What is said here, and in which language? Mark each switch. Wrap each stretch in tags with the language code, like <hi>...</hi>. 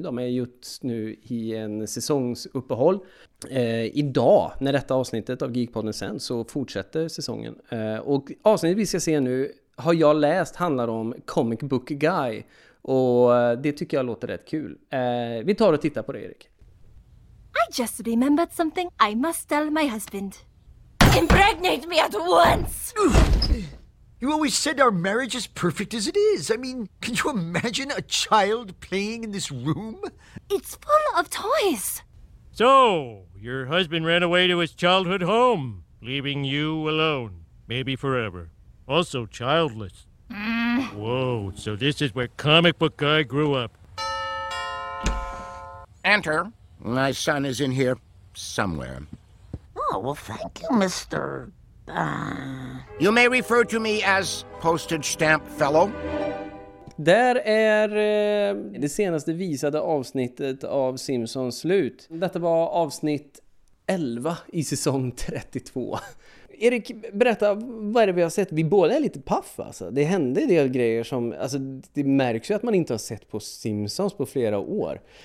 <sv>De är just nu i en säsongsuppehåll. Idag, när detta avsnittet av Geekpodden sänds, så fortsätter säsongen. Och avsnittet vi ska se nu, har jag läst, handlar om Comic Book Guy. Och det tycker jag låter rätt kul. Vi tar och tittar på det, Erik.</sv> <en>I just remembered something I must tell my husband. Impregnate me at once! You always said our marriage is perfect as it is. I mean, can you imagine a child playing in this room? It's full of toys. So, your husband ran away to his childhood home, leaving you alone, maybe forever. Also childless. Mm. Whoa, so this is where Comic Book Guy grew up. Enter. My son is in here somewhere. Oh, well, thank you, Mr. You may refer to me as postage stamp fellow.</en> <sv>Där är det senaste visade avsnittet av Simpsons slut. Detta var avsnitt 11 i säsong 32. Erik, berätta, vad är det vi har sett? Vi båda är lite paff, alltså. Det hände en del grejer som, alltså, det märks ju att man inte har sett på Simpsons på flera år.</sv>